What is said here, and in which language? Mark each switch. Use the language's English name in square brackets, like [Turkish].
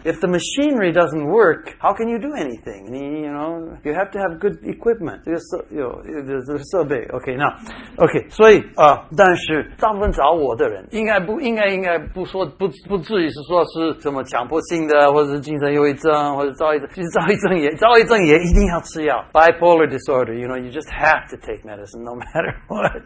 [English] If the machinery doesn't work, how can you do anything? You know, you have to have good equipment. [Chinese] 这个设备 okay 所以但是大部分找我的人应该不至于是什么强迫性的或者是精神忧郁症或者躁郁症，其实躁郁症也一定要吃药。 [English] Bipolar disorder, you know, you just have to take medicine no matter what.